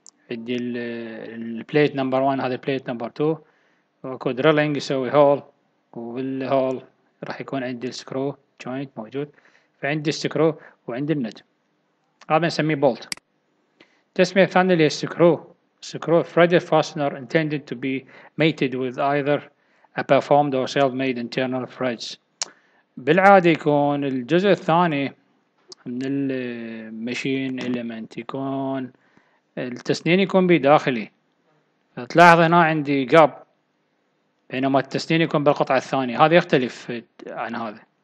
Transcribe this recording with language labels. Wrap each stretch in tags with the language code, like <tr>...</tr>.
<ar>البليت نمبر 1، هذا البليت نمبر 2، واكو درلينج يسوي هول، والهول راح يكون عندي السكرو جوينت موجود، فعندي السكرو وعندي النت، هذا نسميه بولت. التسمية الثانية اللي هي السكرو،</ar> <en>threaded fastener intended to be mated with either a performed or self-made internal threads.</en> <ar>بالعادة يكون الجزء الثاني من المشين إليمنت يكون التسنين يكون بداخلي، تلاحظ هنا عندي جاب بينما التسنين يكون بالقطعة الثانية، هذا يختلف عن هذا.</ar>